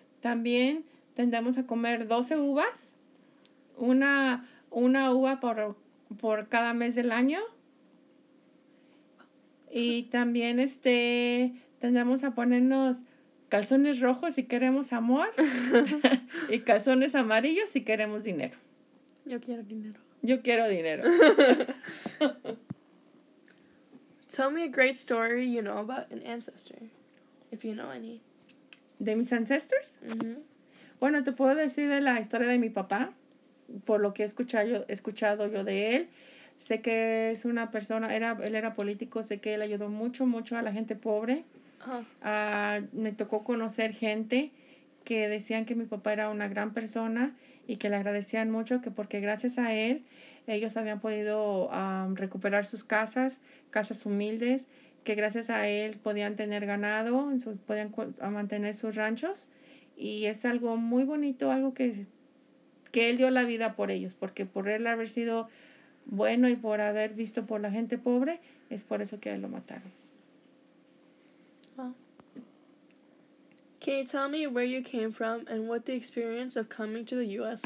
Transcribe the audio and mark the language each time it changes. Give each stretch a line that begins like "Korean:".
Spanish: También tendemos a comer 12 uvas, una uva por cada mes del año. Y también tendemos a ponernos calzones rojos si queremos amor y calzones amarillos si queremos dinero. Yo quiero dinero. Yo quiero dinero.
English: Tell me a great story you know about an ancestor, if you know any.
Spanish: ¿De mis ancestors? Mm-hmm. Bueno, te puedo decir de la historia de mi papá, por lo que he escuchado yo de él. Sé que es una persona, él era político, sé que él ayudó mucho, mucho a la gente pobre. Me tocó conocer gente que decían que mi papá era una gran persona y que le agradecían mucho, que porque gracias a él ellos habían podido recuperar sus casas humildes, que gracias a él podían tener ganado, podían mantener sus ranchos. Y es algo muy bonito, algo que él dio la vida por ellos, porque por él haber sido bueno y por haber visto por la gente pobre, es por eso que a él lo mataron.
English: Can you tell me where you came from and what the experience of coming to the U.S.